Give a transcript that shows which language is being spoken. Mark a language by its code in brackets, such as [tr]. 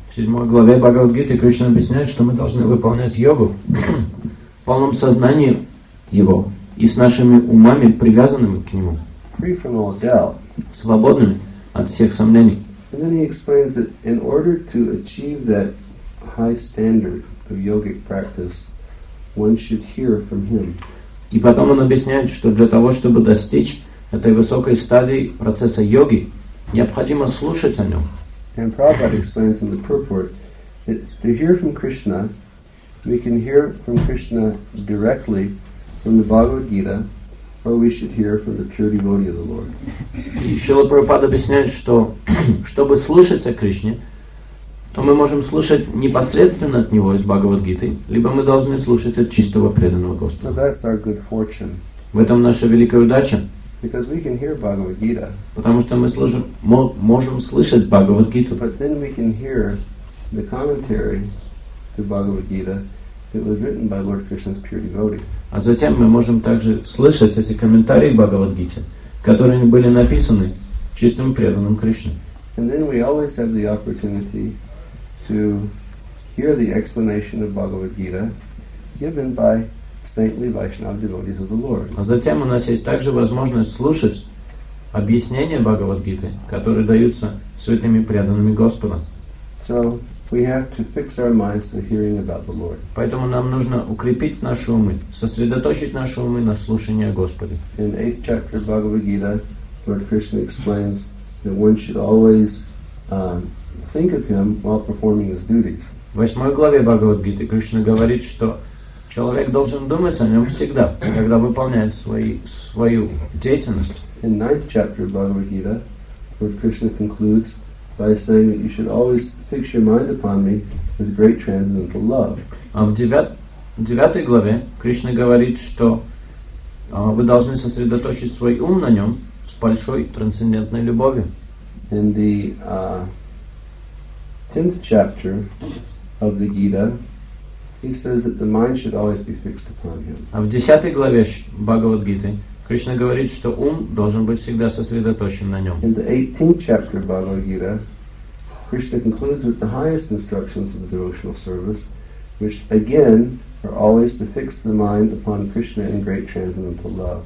[ru] В 7 главе Бхагавад Гиты Кришна объясняет, что мы должны выполнять йогу в полном сознании Его и с нашими умами, привязанными к Нему. [en] Free from all doubt. [ru] Свободными от всех сомнений. [en] And then He explains that in order to achieve that high standard of yogic practice, one should hear from Him. [ru] И потом он объясняет, что для того, чтобы достичь этой высокой стадии процесса йоги, необходимо слушать о нем. [en] And Prabhupada explains in the purport that to hear from Krishna, we can hear from Krishna directly from the Bhagavad Gita, or we should hear from the pure devotee of the Lord. [ru] И Шрила Прабхупада объясняет, что чтобы слушать о Кришне, то мы можем слушать непосредственно от Него из Бхагавад-гиты, либо мы должны слушать от чистого преданного Господа. [en] So that's our good fortune. [ru] В этом наша великая удача. [en] Because we can hear Bhagavad-gita. [ru] Потому что мы служим, можем слышать Бхагавад-гиту. [en] But then we can hear the commentary to Bhagavad-gita that was written by Lord Krishna's pure devotee. [ru] А затем мы можем также слышать эти комментарии к Бхагавад-гите, которые были написаны чистым преданным Кришне. [en] And then we always have the opportunity to hear the explanation of Bhagavad Gita given by saintly Vaishnava devotees of the Lord. [ru] А затем у нас есть также возможность слушать объяснения Бхагавад Гиты, которые даются святыми преданными Господа. [en] So we have to fix our minds to hearing about the Lord. [ru] Поэтому нам нужно укрепить наши умы, сосредоточить наши умы на слушании о Господе. [en] In the 8th chapter of Bhagavad Gita, Lord Krishna explains that one should always think of Him while performing his duties. [ru] В 8 главе Бхагавад-гиты Кришна говорит, что Человек должен думать о нем всегда, когда выполняет свою деятельность. [en] In 9th chapter of Bhagavad Gita, Lord Krishna concludes by saying that you should always fix your mind upon me with great transcendental love. [ru] А в 9 главе Кришна говорит, что вы должны сосредоточить свой ум на нем с большой трансцендентной любовью. [en] In the 10th chapter of the Gita, he says that the mind should always be fixed upon him. [ru] А в 10 главе Бхагавад Гиты Кришна говорит, что ум должен быть всегда сосредоточен на нем. [en] In the 18th chapter of Bhagavad Gita, Krishna concludes with the highest instructions of the devotional service, which again are always to fix the mind upon Krishna in great transcendental love.